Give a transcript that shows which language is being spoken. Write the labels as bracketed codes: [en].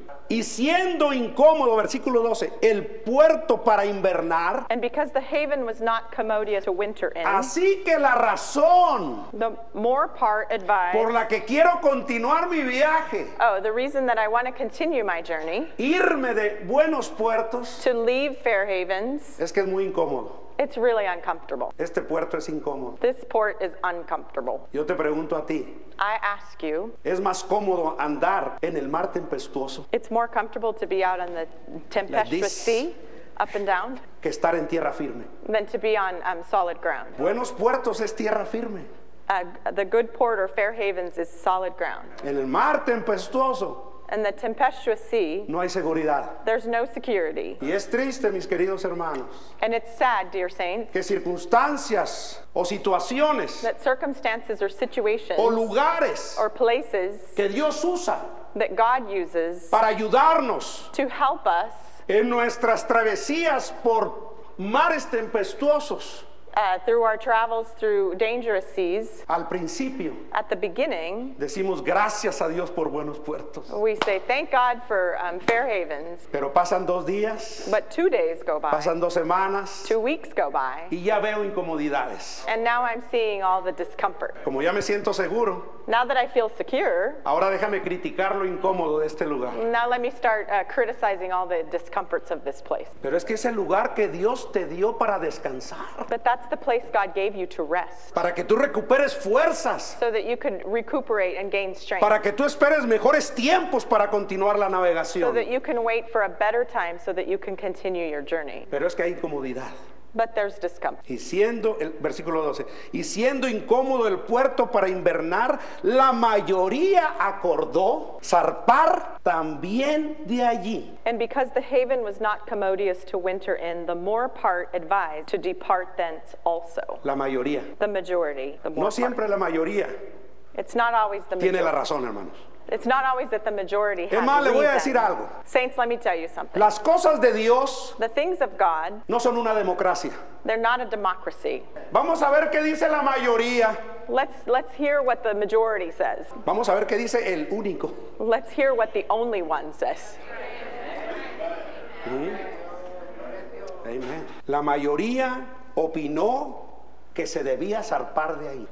[es] Y siendo incómodo, versículo 12, el puerto para invernar. [en] And because the haven was not commodious to winter in. [es] Así que la razón. [en] The more part advised. [es] Por la que quiero continuar mi viaje. [en] Oh, the reason that I want to continue my journey. [es] Irme de buenos puertos. [en] To leave fair havens. [es] Es que es muy incómodo. [en] It's really uncomfortable. [es] Este puerto es incómodo. [en] This port is uncomfortable. [es] Yo te pregunto a ti. [en] I ask you. [es] ¿Es más cómodo andar en el mar tempestuoso? [en] It's more comfortable to be out on the tempestuous sea, up and down. [es] Que estar en tierra firme. [en] Than to be on solid ground. [es] Buenos puertos es tierra firme. [en] The good port or fair havens is solid ground. [es] En el mar tempestuoso. [en] And the tempestuous sea, [es] no hay seguridad. [en] There's no security. [es] Y es triste, mis queridos hermanos, [en] and it's sad, dear saints, [es] que circunstancias o situaciones, [en] that circumstances or situations [es] o lugares, [en] or places [es] que Dios usa, [en] that God uses [es] para ayudarnos, [en] to help us [es] en nuestras travesías por mares tempestuosos, [en] through our travels through dangerous seas. [es] Al principio, [en] at the beginning, [es] decimos gracias a Dios por buenos puertos. [en] We say thank God for fair havens. [es] Pero pasan dos días, [en] but 2 days go by. [es] Pasan dos semanas, [en] 2 weeks go by. [es] Y ya veo incomodidades. [en] And now I'm seeing all the discomfort. [es] Como ya me siento seguro, [en] now that I feel secure, [es] ahora déjame criticar lo incómodo de este lugar. [en] Now let me start criticizing all the discomforts of this place. [es] Pero es que es el lugar que Dios te dio para descansar. [en] But that's the place God gave you to rest. [es] Para que tú recuperes fuerzas. [en] So that you could recuperate and gain strength. [es] Para que tú esperes mejores tiempos para continuar la navegación. [en] So that you can wait for a better time so that you can continue your journey. [es] Pero es que hay incomodidad. [en] But there's discomfort. [es] Y siendo el versículo 12, y siendo incómodo el puerto para invernar, la mayoría acordó zarpar también de allí. [en] And because the haven was not commodious to winter in, the more part advised to depart thence also. [es] La mayoría. [en] The majority. The more [es] no siempre [en] part. [es] La mayoría. [en] It's not always the [es] tiene [en] majority. [es] La razón, hermanos. [en] It's not always that the majority has [es] es más, le voy a decir algo. [en] Saints, let me tell you something. [es] Las cosas de Dios, [en] the things of God, [es] no son una democracia. [en] They're not a democracy. [es] Vamos a ver qué dice la mayoría. [en] Let's hear what the majority says. [es] Vamos a ver qué dice el único. [en] Let's hear what the only one says. Amen. [es] La mayoría opinó que se debía zarpar de ahí.